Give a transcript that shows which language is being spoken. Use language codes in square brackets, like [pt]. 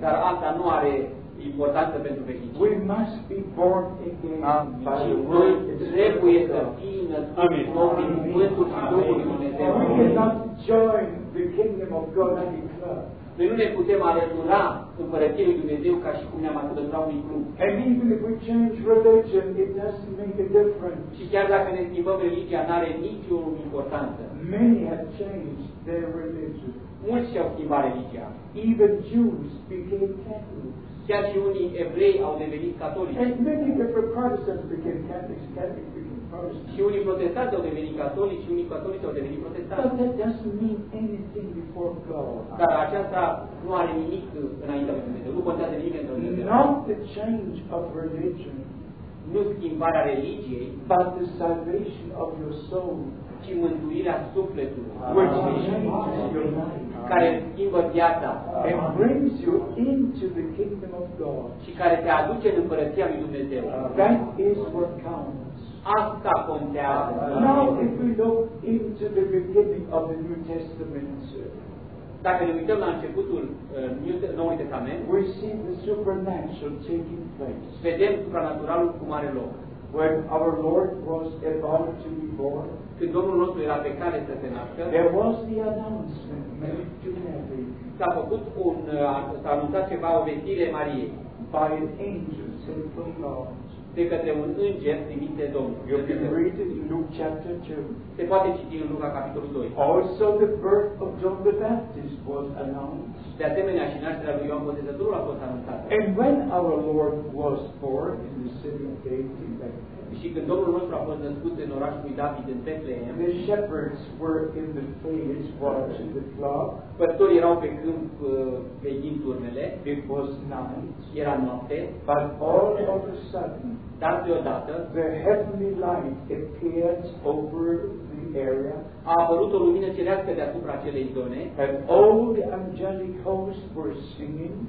[ro] Dar asta nu are importanță pentru veșnicie. [en] We must be born again. [ro] Și noi trebuie să fim născuți din nou prin Cuvântul și Duhul Dumnezeu. [en] We cannot join the kingdom of God in the club. [ro] Noi nu ne putem alătura împărăției lui Dumnezeu ca și cum ne-am alătura unui club. [en] And even if we change religion, it doesn't make a difference. [ro] Și chiar dacă ne schimbăm religia, nu are nicio importanță. [en] Many have changed their religion. [ro] Mulți au schimbat religia. [en] Even Jews became Catholics. [ro] Chiar și unii evrei au devenit catolici. [en] And many different Protestants became Catholics. Catholics became Protestants. [ro] Și unii protestanți au devenit catolici, și unii catolici au devenit protestanți. [en] But that doesn't mean anything before God. [ro] Dar aceasta nu are nimic înaintea lui Dumnezeu. Nu contează nimic înaintea lui Dumnezeu. [en] Not the change of religion. [ro] Nu schimbarea religiei. [en] But the salvation of your soul. [ro] Și mântuirea sufletului. [en] Which changes your mind. [ro] Care schimbă viața [en] and brings you into the kingdom of God. [ro] Și care te aduce în împărăția lui Dumnezeu. [en] That is what counts. [ro] Asta contează. [en] Now if we look into the beginning of the New Testament, [ro] dacă ne uităm la începutul Noului Testament, [en] we see the supernatural taking place. [ro] Vedem supranaturalul cum are loc. [en] When our Lord was about to be born, [ro] când Domnul nostru era pe cale să se nască, [en] there was the announcement to Mary. [ro] S-a făcut un s-a anunțat ceva, o vestire Marie. [en] By an angel sent from God. [ro] De către un înger trimis de Domnul. [en] You can read it in Luke chapter 2. [ro] Se poate citi în Luca capitolul 2. [en] Also the birth of John the Baptist was announced. [ro] De asemenea și nașterea lui Ioan Botezătorul a fost anunțată. [en] And when our Lord was born in the city of David in Bethlehem. [ro] Și când Domnul nostru a fost născut în orașul lui David în Betlehem, [en] the shepherds were in the fields watching the flock. [ro] Păstorii erau pe câmp veghind turmele. [en] It was night. [ro] Era noapte. [en] But all of a sudden, [ro] dar deodată, [en] the heavenly light appeared over the area. [ro] A apărut o lumină cerească deasupra acelei zone. [en] And all the angelic hosts were singing.